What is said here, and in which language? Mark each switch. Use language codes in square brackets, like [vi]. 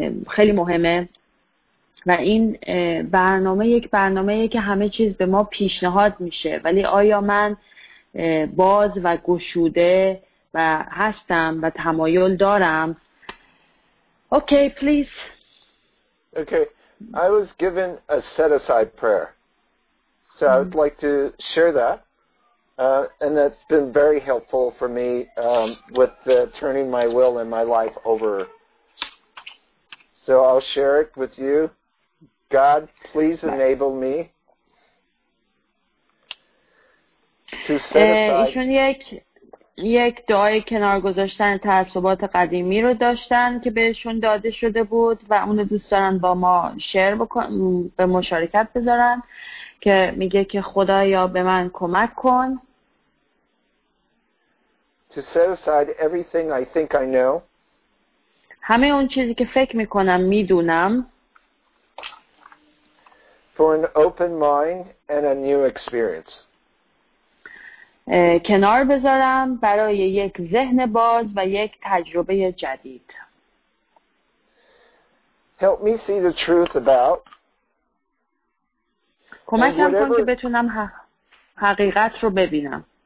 [fa] خیلی مهمه و این برنامه یک برنامه‌ای که همه چیز به ما پیشنهاد میشه ولی آیا من باز و گشوده و هستم و تمایل دارم [en] Okay please okay I was given a set aside prayer so I would like to share that and that's been very helpful for me with the turning my will and my life over So I'll share it with you. God, please enable me to set aside. [fa] ایشون یک دعای کنار گذاشتن تعصبات قدیمی رو داشتن که بهشون داده شده بود و اونو دوست دارن با ما شیر بکنن به مشارکت بذارن که میگه که خدایا به من کمک کن. [en] To set aside everything I think I know. [fa] همه اون چیزی که فکر میکنم میدونم [en] for an open mind and a new experience [fa] کنار بذارم برای یک ذهن باز و یک تجربه جدید [en] help me see the truth about [fa] کمکم کن که بتونم حقیقت رو ببینم